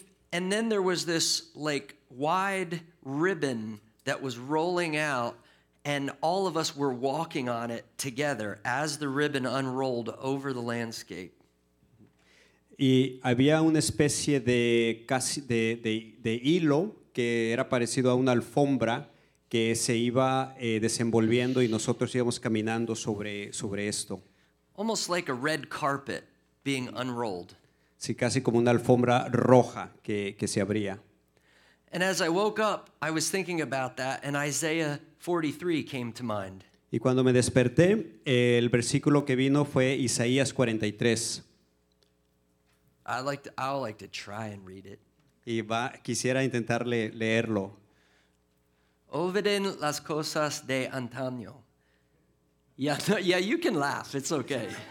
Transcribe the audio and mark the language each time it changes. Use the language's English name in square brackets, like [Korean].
[English] And then there was this like wide ribbon that was rolling out, and all of us were walking on it together as the ribbon unrolled over the landscape. [Spanish] Y había una especie de casi de hilo que era parecido a una alfombra que se iba desenvolviendo y nosotros íbamos caminando sobre esto. [English] Almost like a red carpet being unrolled. [Spanish] Sí, casi como una alfombra roja que se abría. [English] And as I woke up, I was thinking about that, and Isaiah 43 came to mind. [Spanish] Y cuando me desperté, el versículo que vino fue Isaías 43. [English] I'd like to try and read it. [Spanish] Y va, quisiera intentar leerlo. Olviden las cosas de antaño. [English] Yeah, you can laugh. It's okay.